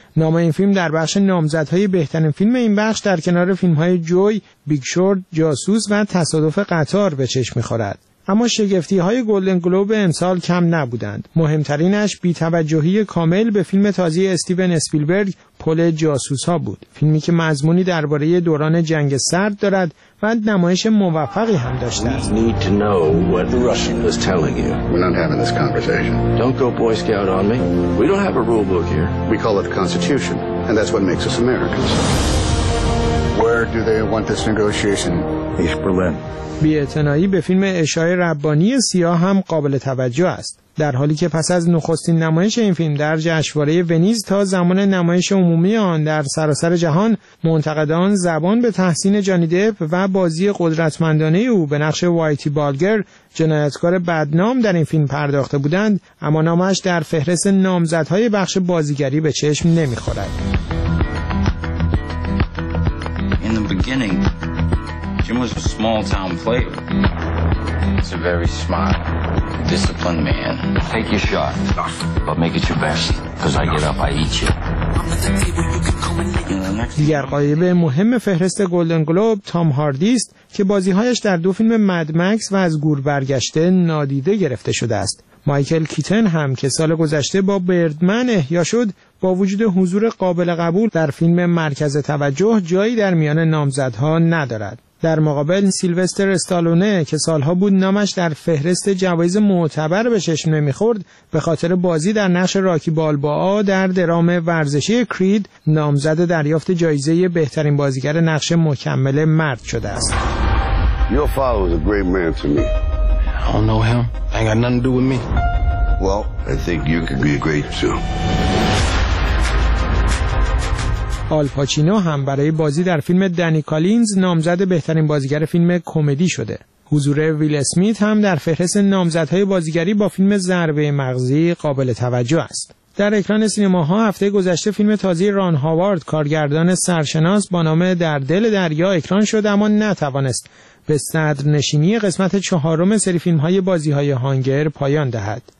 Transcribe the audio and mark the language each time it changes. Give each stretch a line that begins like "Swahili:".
Persian: نام این فیلم در بخش نامزدهای بهترین فیلم این بخش در کنار فیلم‌های جوی، بیگ شورت، جاسوس و تصادف قطار به چشم می‌خورد. اما شگفتی‌های گلدن گلوب امسال کم نبودند. مهمترینش بی‌توجهی کامل به فیلم تازه استیون اسپیلبرگ پل جاسوس‌ها بود. فیلمی که مضمونی درباره دوران جنگ سرد دارد و نمایش موفقی هم داشته است.
English: We need to know what the Russian was telling you. We're not having this conversation. Don't go Boy Scout on me. We don't have a rule book here. We call it a constitution, and that's what makes us Americans. Where do they want this negotiation? East Berlin.
Persian: بی‌اعتنایی به فیلم اشای ربانی سیاه هم قابل توجه است. در حالی که پس از نخستین نمایش این فیلم در جشنواره ونیز تا زمان نمایش عمومی آن در سراسر جهان منتقدان زبان به تحسین جانی دپ و بازی قدرتمندانه او به نقش وایتی بالگر جنایتکار بدنام در این فیلم پرداخته بودند، اما نامش در فهرست نامزدهای بخش بازیگری به چشم نمی‌خورد.
English: In the beginning, Jim was a small-town player. He's a very smart, disciplined man. Take your shot, but make it your best, because I get up, I eat you.
Persian: دیگر قایب مهم فهرست گلدن گلوب تام هاردی است که بازیهایش در دو فیلم مد مکس و از گور برگشته نادیده گرفته شده است. مایکل کیتن هم که سال گذشته با بردمن احیا شد، با وجود حضور قابل قبول در فیلم مرکز توجه جایی در میان نامزدها ندارد. در مقابل سیلوستر استالونه که سالها بود نامش در فهرست جوایز معتبر به چشم نمی‌خورد، به خاطر بازی در نقش راکی بالبا در درام ورزشی کرید نامزد دریافت جایزه بهترین بازیگر نقش مکمل مرد شده است.
English: Your father was a great man to me. I don't know him. I ain't got nothing to do with me. Well, I think you could be great too.
Persian: آل پاچینو هم برای بازی در فیلم دنی کالینز نامزد بهترین بازیگر فیلم کمدی شده. حضور ویل اسمیت هم در فهرست نامزدهای بازیگری با فیلم ضربه مغزی قابل توجه است. در اکران سینماها هفته گذشته فیلم تازه ران هاوارد کارگردان سرشناس با نام در دل دریا اکران شد، اما نتوانست به صدر نشینی قسمت چهارم سری فیلم‌های بازی‌های هانگر پایان دهد.